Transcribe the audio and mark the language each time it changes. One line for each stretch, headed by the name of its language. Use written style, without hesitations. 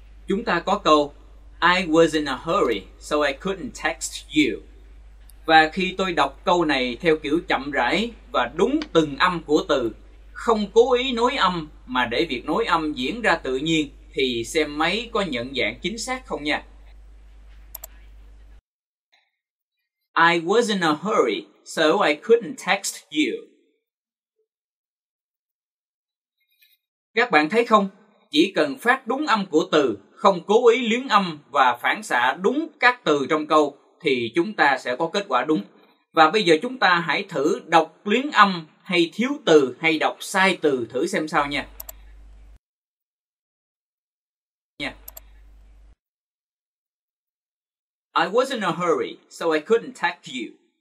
Vietnamese: Chúng ta có câu
English: I was in a hurry, so I couldn't text you.
Vietnamese: Và khi tôi đọc câu này theo kiểu chậm rãi và đúng từng âm của từ, không cố ý nối âm mà để việc nối âm diễn ra tự nhiên, thì xem máy có nhận dạng chính xác không nha.
English: I was in a hurry, so I couldn't text you.
Vietnamese: Các bạn thấy không? Chỉ cần phát đúng âm của từ, không cố ý luyến âm và phản xạ đúng các từ trong câu thì chúng ta sẽ có kết quả đúng. Và bây giờ chúng ta hãy thử đọc luyến âm hay thiếu từ hay đọc sai từ thử xem sao nha.
English: I was in a hurry, so I couldn't text you.